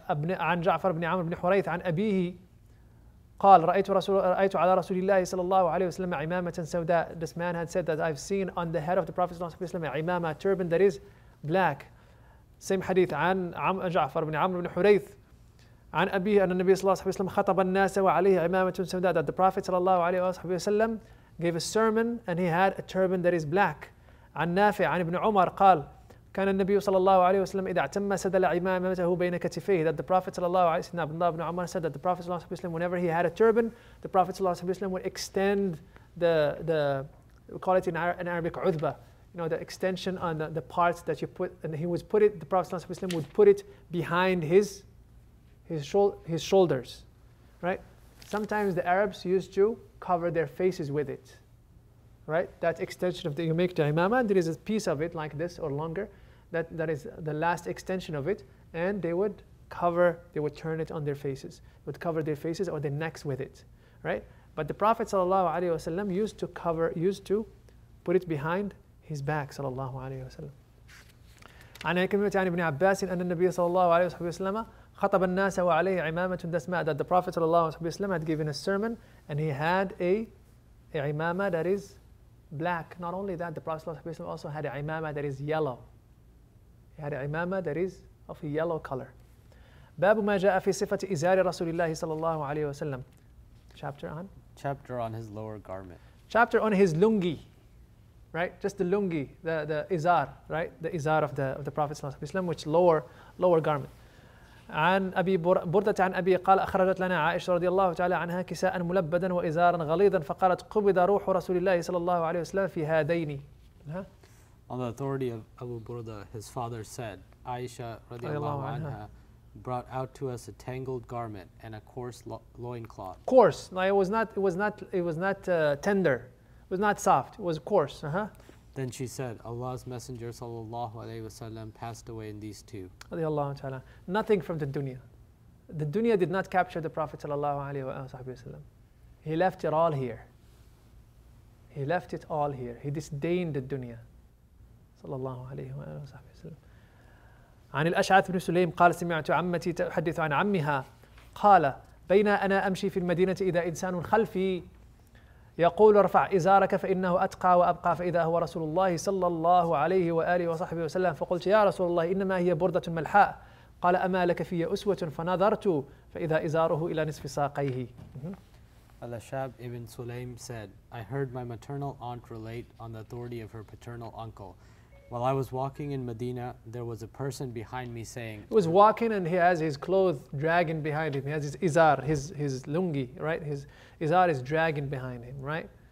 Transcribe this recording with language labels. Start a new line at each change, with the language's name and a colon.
Arabic: عن جعفر بن عمرو بن حريث عن أبيه قال رأيت على رسول الله صلى الله عليه وسلم عمامة سوداء.
English: This man had said that I've seen on the head of the Prophet صلى الله عليه وسلم عمامة, turban that is black. Same hadith
Arabic: عن جعفر بن عمرو بن حريث عن أبيه أن النبي صلى الله عليه وسلم خطب الناس وعليه عمامة سوداء.
English: That the Prophet صلى الله عليه وسلم gave a sermon and he had a turban that is black.
Arabic: عن نافع عن ابن عمر قال كان النبي صلى الله عليه وسلم إذا اعتم سدل عمامته بين كتفيه.
English: That the Prophet صلى الله عليه وسلم, ابن عمر said that the Prophet صلى الله عليه وسلم whenever he had a turban, the Prophet صلى الله عليه وسلم would extend the we call it in Arabic عذبة. You know, the extension on the parts that you put, and he would put it, the Prophet sallallahu alaihi wasallam would put it behind his shoulders, right? Sometimes the Arabs used to cover their faces with it, right? That extension of the, you make the imamah, there is a piece of it like this or longer, that is the last extension of it, and they would cover their faces or their necks with it, right? But the Prophet sallallahu alaihi wasallam used to put it behind his back, sallallahu alayhi wa sallam. عن كلمة عن ابن عباس أن النبي صلى الله عليه وسلم خطب الناس وعليه عمامة دسماء. That the Prophet صلى الله عليه وسلم had given a sermon and he had a imama that is black. Not only that, the Prophet صلى الله عليه وسلم also had a imama that is yellow. He had a imama that is of a yellow color.
Arabic: باب ما جاء في صفة إزار رسول الله صلى الله عليه وسلم.
English: Chapter on his lower garment. Chapter on his lungi. Right, just the lungi, the izar, right, the izar of the Prophet صلى الله عليه وسلم, which lower garment.
Arabic: عن أبي بردة عن أبي قال أخرجت لنا عائشة رضي الله تعالى عنها كساء ملبدا وإزارا غليظا فقالت قبض روح رسول الله صلى الله عليه وسلم في هذين.
English: On the authority of Abu Burda, his father said, Aisha
Arabic: رضي الله عنها
English: brought out to us a tangled garment and a coarse loincloth. Coarse. No, it was not tender. It was not soft, it was coarse. Uh-huh. Then she said, Allah's Messenger sallallahu alayhi wa sallam passed away in these two. Nothing from the dunya. The dunya did not capture the Prophet sallallahu alayhi wa sallam. He left it all here. He left it all here. He disdained the dunya. Sallallahu alayhi wa sallam.
Arabic: عن الأشعث بن سليم قال سمعت عمتي تحدث عن عمها قال بين أنا أمشي في المدينة إذا إنسان خلفي يقول ارفع إزارك فإنه أتقى وأبقى فإذا هو رسول الله صلى الله عليه وآله وصحبه وسلم فقلت يا رسول الله إنما هي بردة ملحاء قال أما لك في أسوة فنظرت فإذا إزاره إلى نصف ساقيه.
English: Al-Ashab ibn Sulaym said, I heard my maternal aunt relate on the authority of her paternal uncle. While I was walking in Medina, there was a person behind me saying, he was walking and he has his clothes dragging behind him. He has his izar, his lungi, right? His izar is dragging behind him, right?